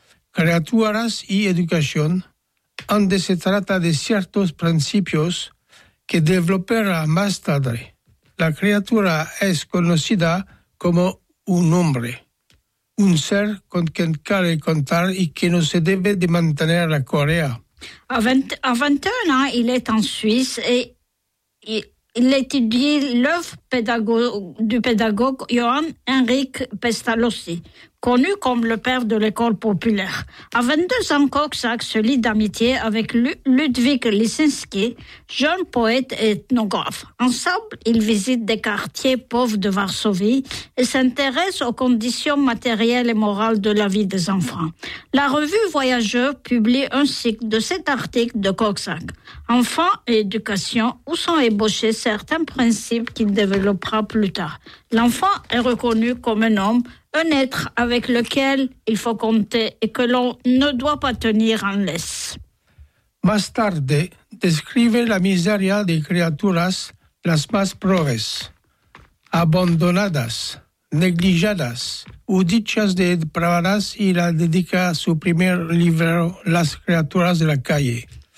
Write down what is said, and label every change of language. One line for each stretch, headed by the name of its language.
Ladino: Criaturas y educación, donde se trata de ciertos principios que developerá más tarde. La criatura es conocida como un hombre, un ser con quien cabe contar y que no se debe de mantener la correa.
French: A 21 ans, il est en Suisse et il étudie l'œuvre du pédagogue Johann Heinrich Pestalozzi, connu comme le père de l'école populaire. À 22 ans, Korczak se lie d'amitié avec Ludwik Lisinski, jeune poète et ethnographe. Ensemble, ils visitent des quartiers pauvres de Varsovie et s'intéressent aux conditions matérielles et morales de la vie des enfants. La revue Voyageur publie un cycle de 7 articles de Korczak. Enfants et éducation, où sont ébauchés certains principes qu'il développera plus tard. L'enfant est reconnu comme un homme, un être avec lequel il faut compter et que l'on ne doit pas tenir en laisse.
Ladino: Más tarde, describe la miseria de criaturas las más pobres, abandonadas, negligidas o dichas de depravadas y la dedica a su primer libro Las criaturas de la calle.